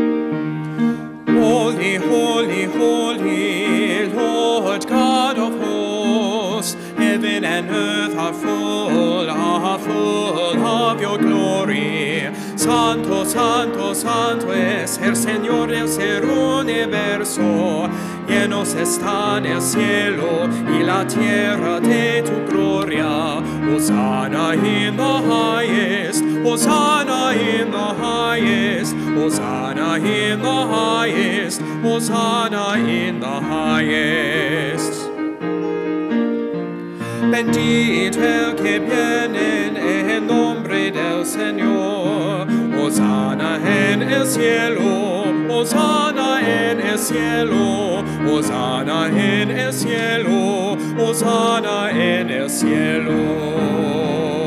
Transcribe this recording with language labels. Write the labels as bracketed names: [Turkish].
[English] Holy, holy, holy, Lord God of hosts, heaven and earth are full of your glory. [Spanish] Santo, santo, santo es el Señor, el ser universo. Llenos están el cielo y la tierra de tu gloria. [English] Hosanna in the highest, Hosanna in the highest, Hosanna in the highest, Hosanna in the highest. [Spanish] Bendito el que viene en nombre del Señor. Hosanna en el cielo, Hosanna en el cielo, Hosanna en el cielo, Hosanna en el cielo.